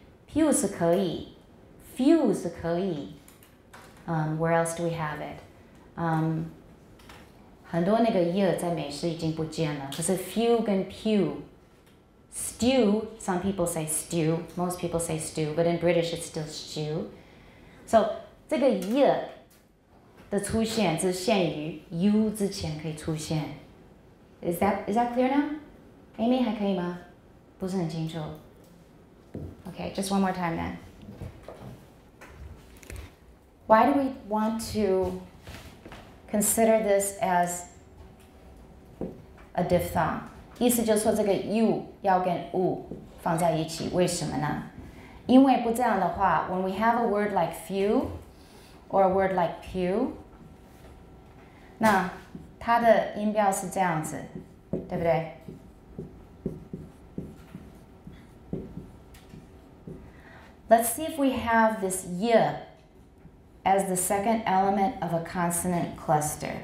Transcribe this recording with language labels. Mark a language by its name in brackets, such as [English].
[Chinese] pew 是可以 ，few 是可以。 [English] Where else do we have it? [Chinese] 很多那个 ye 在美式已经不见了。 [English] 可是 few 跟 pew, stew. Some people say stew. Most people say stew, but in British it's still stew. So. [Chinese] 这个 y 的出现只限于 u 之前可以出现。 [English] Is that clear now? Amy [Chinese] 还可以吗？不是很清楚。 [English] Okay, just one more time then. Why do we want to consider this as a diphthong? [Chinese] 意思就是说这个 u 要跟 u 放在一起，为什么呢？因为不这样的话 [English] ，when we have a word like few。Or a word like pew. [Chinese] 那它的音标是这样子，对不对？ [English] Let's see if we have this y as the second element of a consonant cluster.